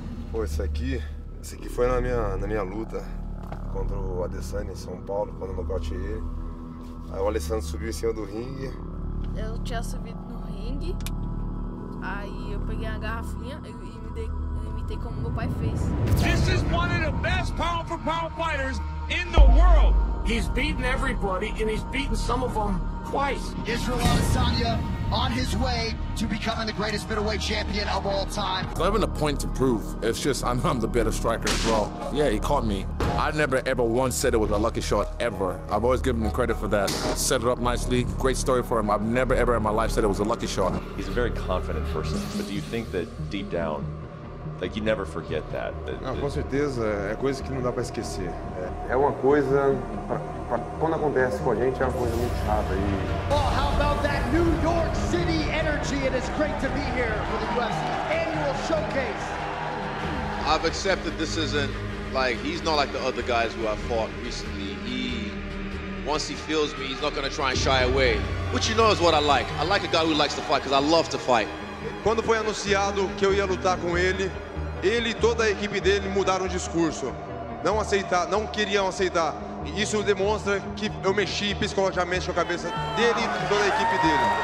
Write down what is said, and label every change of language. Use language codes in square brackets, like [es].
[pt] Pô, esse aqui foi na minha luta contra o Adesanya em São Paulo, quando eu nocautei ele. Aí o Alessandro subiu em cima do ringue. Eu tinha subido no ringue. Aí eu peguei a garrafinha e me dei como meu pai fez. [en] This is one of the best pound for pound fighters in the world. He's beaten everybody, and he's beaten some of them twice. Israel Adesanya on his way to becoming the greatest middleweight champion of all time. I have a point to prove. It's just I'm the better striker as well. Yeah, he caught me. I never ever once said it was a lucky shot, ever. I've always given him credit for that. Set it up nicely, great story for him. I've never ever in my life said it was a lucky shot. He's a very confident person, but do you think that deep down, like, you never forget that? [pt] Ah, com certeza, é coisa que não dá pra esquecer. É uma coisa, pra quando acontece com a gente, é uma coisa muito chata. E... [en] Oh, how about that New York City energy? It is great to be here for the UFC annual showcase. I've accepted this isn't, like, he's not like the other guys who I've fought recently. He, once he feels me, he's not gonna try and shy away. Which, you know, is what I like. I like a guy who likes to fight, because I love to fight. [pt] Quando foi anunciado que eu ia lutar com ele, ele e toda a equipe dele mudaram o discurso. Não aceitar, não queriam aceitar. Isso demonstra que eu mexi psicologicamente com a cabeça dele e toda a equipe dele.